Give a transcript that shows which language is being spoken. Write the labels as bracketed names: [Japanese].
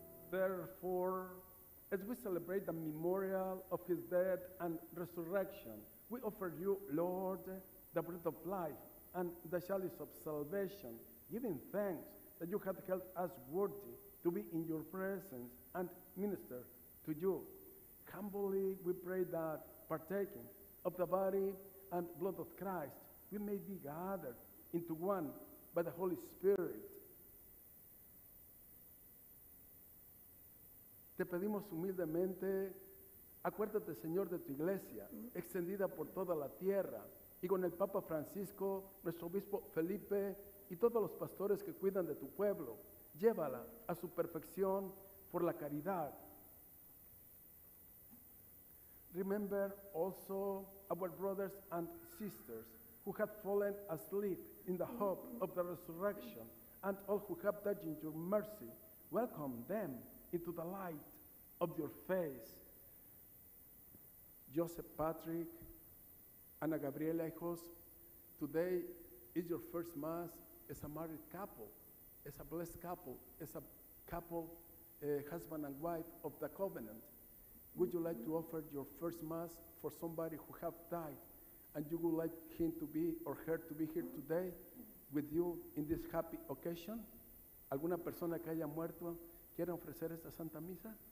[English] Therefore, as we celebrate the memorial of his death and resurrection, we offer you, Lord, the bread of life and the chalice of salvation, giving thanks that you have held us worthy to be in your presence and minister to you. Humbly, we pray that, partaking of the body and blood of Christ, we may be gathered into one by the Holy Spirit. [Spanish] Te pedimos humildemente, acuérdate, Señor, de tu iglesia, extendida por toda la tierra, y con el Papa Francisco, nuestro obispo Felipe, y todos los pastores que cuidan de tu pueblo, llévala a su perfección por la caridad. [English] Remember also our brothers and sisters who have fallen asleep in the hope of the resurrection, and all who have died in your mercy, welcome them into the light of your face. Joseph Patrick, Ana Gabriela, hijos, today is your first mass as a married couple, as a blessed couple, as a couple, husband and wife of the covenant. Would you like to offer your first mass for somebody who have died and you would like him to be or her to be here today with you in this happy occasion? [Spanish] ¿Alguna persona que haya muerto quiere ofrecer esta santa misa?